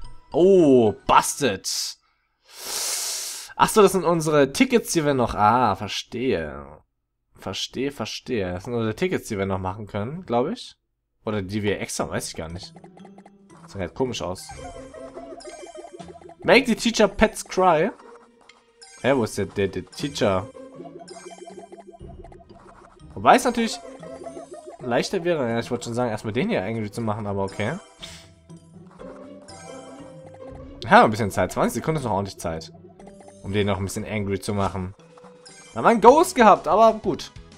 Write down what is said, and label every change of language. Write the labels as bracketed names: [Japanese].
[English] Oh, busted! [German] Achso, das sind unsere Tickets, die wir noch... Ah, verstehe. Verstehe, verstehe. Das sind unsere Tickets, die wir noch machen können, glaube ich. Oder die wir extra, weiß ich gar nicht. Das sieht halt komisch aus. [English] Make the teacher pets cry. [German] Hä, wo ist der Teacher? Wobei es natürlich leichter wäre, ja, ich wollte schon sagen, erstmal den hier eigentlich zu machen, aber okay. Ja, ein bisschen Zeit. 20 Sekunden ist noch ordentlich Zeit. Um den noch ein bisschen angry zu machen. Da haben wir einen Ghost gehabt, aber gut.